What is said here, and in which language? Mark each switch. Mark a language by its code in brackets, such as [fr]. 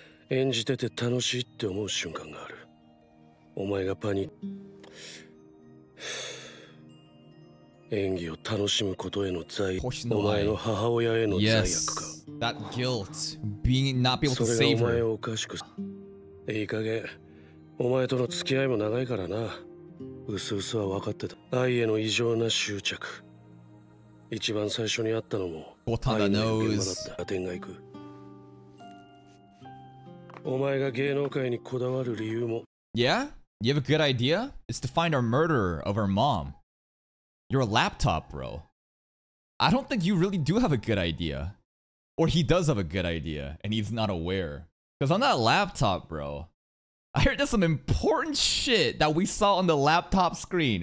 [en] I feel like I'm going to be panicking. I feel like I'm going to be panicking. Yes, that guilt, being not be able to save her. [ja] いい加減、お前との付き合いも長いからな。薄々は分かってた。愛への異常な執着。一番最初に会ったのも、愛の現場だった。 ラテンが行く。お前が芸能界にこだわる理由も。 [en] Yeah? You have a good idea? It's to find our murderer of our mom. Your laptop, bro. I don't think you really do have a good idea. Or he does have a good idea, and he's not aware. Because on that laptop, bro, I heard there's some important shit that we saw on the laptop screen.